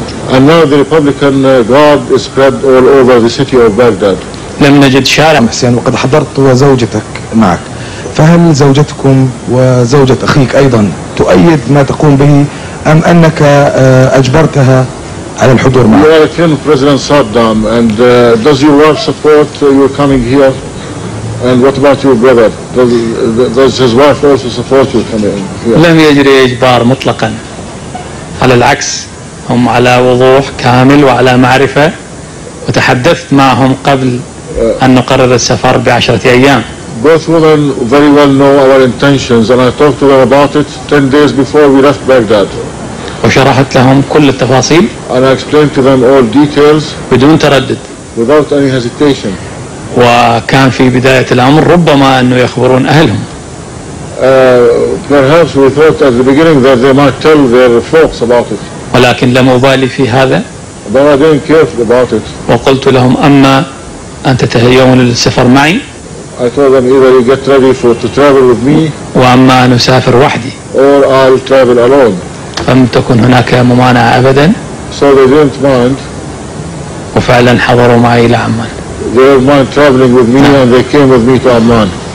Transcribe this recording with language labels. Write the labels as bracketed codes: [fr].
[en] And now the Republican Guard is spread all over the city of Baghdad. [ar] لم نجد شارع. حسين، وقد حضرت وزوجتك معك، فهل زوجتكم وزوجة أخيك أيضا تؤيد ما تقوم به أم أنك أجبرتها على الحضور معك؟ [en] You are the President Saddam, and does your wife support your coming here? And what about your brother? Does his wife also support your coming here? [ar] لم يجري إجبار مطلقا، على العكس هم على وضوح كامل وعلى معرفة، وتحدثت معهم قبل أن نقرر السفر ب10 أيام. [en] Both women very well know our intentions and I talked to them about it 10 days before we left Baghdad. [ar] وشرحت لهم كل التفاصيل. [en] And I explained to them all details. [ar] بدون تردد. [en] Without any hesitation. [ar] وكان في بداية الأمر ربما أنه يخبرون أهلهم. [en] Perhaps we thought at the beginning that they might tell their folks about it. [ar] ولكن لم أبالي في هذا. [en] But I didn't care about it. [ar] وقلت لهم أما أن تتهيئون للسفر معي. [en] I told them either you get ready for to travel with me. [ar] وأما أن أسافر وحدي. [en] Or I'll travel alone. [ar] لم تكن هناك ممانعة أبدا. [en] So they didn't mind. [ar] وفعلا حضروا معي إلى عمان. [en] They didn't mind traveling with me and they came with me to Amman.